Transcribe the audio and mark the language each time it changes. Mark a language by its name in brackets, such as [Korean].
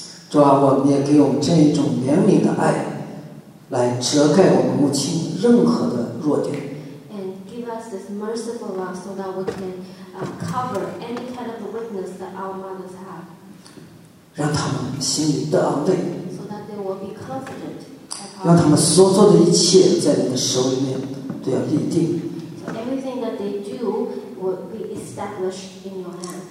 [Chinese] 主啊，我们也给我们这一种怜悯的爱来遮盖我们母亲任何的弱点。 [English] And give us this merciful love so that we can cover any kind of weakness that our mothers have. [Chinese] 让他们心里得安慰。 [English] So that they will be confident. [Chinese] 让他们所做的一切在你的手里面都要立定。 [English] So everything that they do will be established in your hand.